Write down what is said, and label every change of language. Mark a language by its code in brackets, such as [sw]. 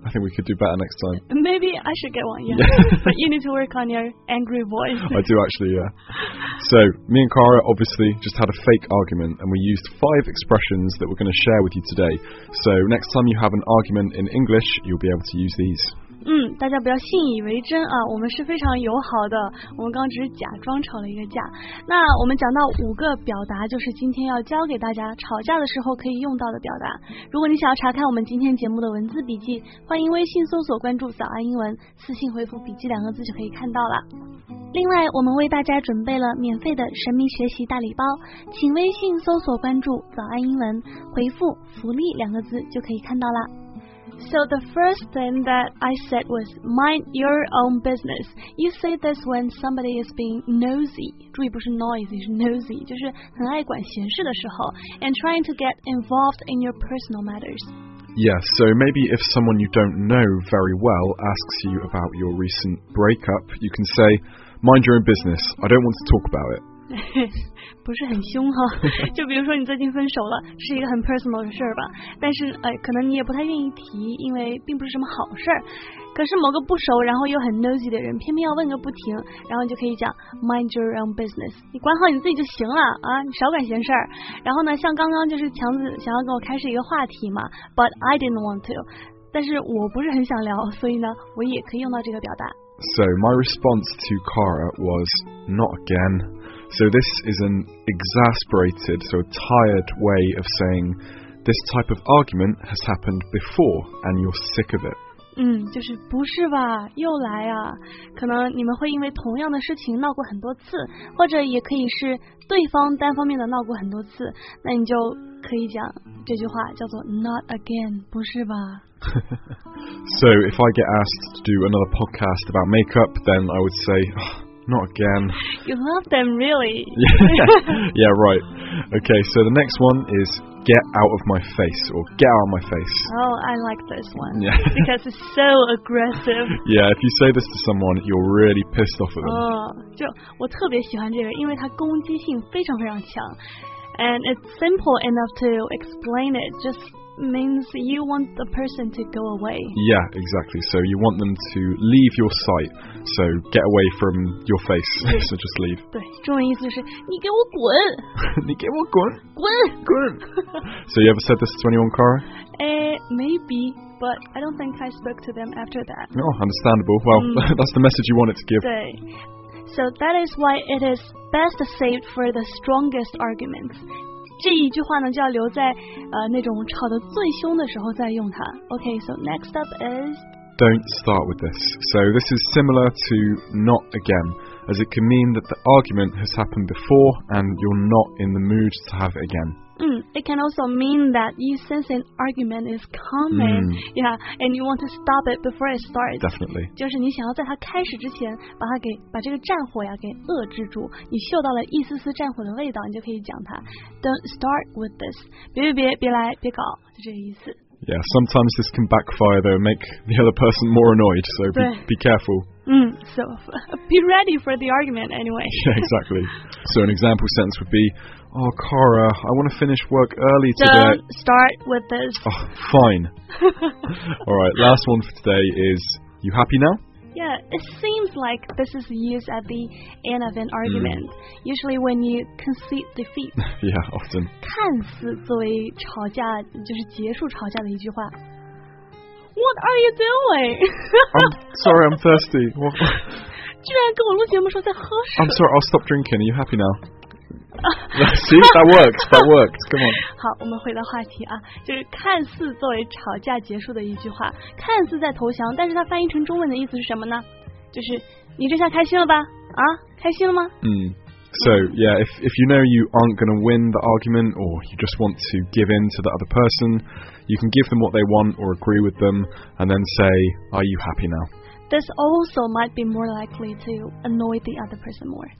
[en] I think we could do better next time. Maybe I should get one, yeah. But you need to work on your angry voice. I do actually, yeah. So me and Cara obviously just had a fake argument and we used 5 expressions that we're going to share with you today. So next time you have an argument in English, you'll be able to use these. [zh] 大家不要信以为真啊，我们是非常友好的，我们刚只是假装吵了一个架。那我们讲到5个表达，就是今天要教给大家吵架的时候可以用到的表达。如果你想要查看我们今天节目的文字笔记，欢迎微信搜索关注早安英文，私信回复笔记两个字就可以看到了。另外我们为大家准备了免费的神秘学习大礼包，请微信搜索关注早安英文，回复福利两个字就可以看到了。 [en] So the first thing that I said was mind your own business. You say this when somebody is being nosy. [zh] 注意不是 noisy, 是 nosy, 就是很爱管闲事的时候 [en] and trying to get involved in your personal matters. Yeah, so maybe if someone you don't know very well asks you about your recent breakup, you can say, mind your own business. I don't want to talk about it. [zh] 不是很凶哈，就比如说你最近分手了，是一个很 personal 的事儿吧，但是可能你也不太愿意提，因为并不是什么好事儿。可是某个不熟然后又很 nosy 的人偏偏要问个不停，然后你就可以讲 [en] mind your own business, [zh] 你管好你自己就行了啊，你少管闲事儿。然后呢，像刚刚就是强子想要跟我开始一个话题嘛， [en] but I didn't want to, [zh] 但是我不是很想聊，所以呢我也可以用到这个表达。 [en] So my response to Cara was not againSo this is an exasperated, so a tired way of saying this type of argument has happened before and you're sick of it. [zh] 就是不是吧，又来啊，可能你们会因为同样的事情闹过很多次，或者也可以是对方单方面的闹过很多次，那你就可以讲这句话叫做 [en] not again, [zh] 不是吧。 [en] So if I get asked to do another podcast about makeup, then I would say... Not again. You love them, really. Yeah, right. Okay, so the next one is get out of my face or get out of my face. Oh, I like this one. Yeah. Because it's so aggressive. Yeah, if you say this to someone, you're really pissed off at them. [zh] Oh, 就我特别喜欢这个，因为它攻击性非常非常强。 [en] And it's simple enough to explain it. Just means you want the person to go away. Yeah, exactly. So you want them to leave your sight. So get away from your face. So just leave. [zh] 对，中文意思就是你给我滚。你给我滚。滚滚。 [en] So you ever said this to anyone, Cara? Maybe, but I don't think I spoke to them after that. Oh, understandable. Well, that's the message you wanted to give. [zh] 对。 [en] So that is why it is best saved for the strongest arguments. [zh] 这一句话呢，就要留在那种吵得最凶的时候再用它。 [en] Okay, so next up is. Don't start with this. So this is similar to not again, as it can mean that the argument has happened before and you're not in the mood to have it again. It can also mean that you sense an argument is coming. Yeah, and you want to stop it before it starts. Definitely. [zh] 就是你想要在它开始之前把这个战火呀给遏制住，你嗅到了一丝丝战火的味道，你就可以讲它。 [en] Don't start with this. [zh] 别来，别搞，就这个意思。 [en] Yeah, sometimes this can backfire though, make the other person more annoyed, so be careful. So be ready for the argument anyway. Yeah, exactly. So an example sentence would be, oh, Cara, I want to finish work early today. Don't start with this. Oh, fine. All right, last one for today is, you happy now? Yeah, it seems like this is used at the end of an argument. Usually when you concede defeat. Yeah, often. [zh] 看似作为吵架就是结束吵架的一句话。 [en] What are you doing? I'm thirsty. [zh] 居然跟我录节目说在喝水。 [en] I'm sorry, I'll stop drinking. Are you happy now? See, that works. That works. Come on. [zh] 好，我们回到话题啊，就是看似作为吵架结束的一句话，看似在投降，但是它翻译成中文的意思是什么呢？就是你这下开心了吧？啊，开心了吗？ [en] So, yeah, if you know you aren't going to win the argument or you just want to give in to the other person, you can give them what they want or agree with them and then say, are you happy now? This also might be more likely to annoy the other person more.